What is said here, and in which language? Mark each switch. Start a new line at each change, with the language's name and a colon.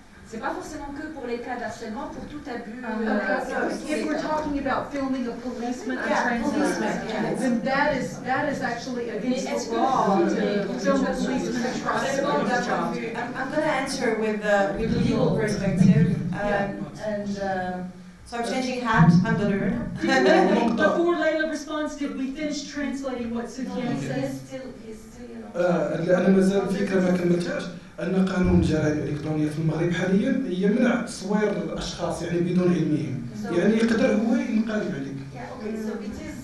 French: C'est pas forcément que pour les cas d'harcèlement, pour tout abus.
English: If we're talking about filming a policeman, a transman, then that is actually against the law. Film a policeman, a transman. I'm going to answer with a legal perspective. So I'm changing hat. I'm the nerd. Before Layla responds, did we finish translating what Sophia says?
Arabic: أنا مازال فكرة ما كملتهاش أن قانون الجرائم الإلكترونية في المغرب حاليا يمنع تصوير الأشخاص يعني بدون علمهم يعني يقدر هو ينقلب عليك.